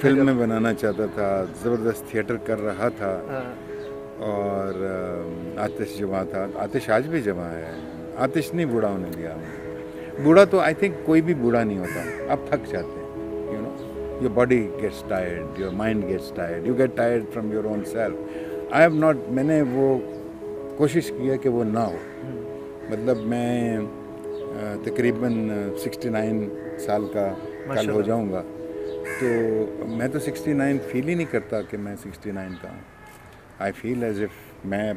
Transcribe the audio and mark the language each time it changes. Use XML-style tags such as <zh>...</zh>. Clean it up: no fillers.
<hi>Film में बनाना चाहता था, ज़बरदस्त थिएटर कर रहा था। और आतिश जवान था, आतिश आज भी जवान है, आतिश नहीं बूढ़ा होने दिया। बूढ़ा तो आई थिंक कोई भी बूढ़ा नहीं होता, अब थक जाते हैं,</hi> <en>your body gets tired, your mind gets tired, you get tired from your own self.</en> <hi>मैंने वो कोशिश की है कि वो ना हो, मतलब मैं तकरीबन 69 साल का कल हो जाऊँगा, तो मैं तो 69 फील ही नहीं करता कि मैं 69 का हूँ।</hi> <en>I feel as if मैं</en>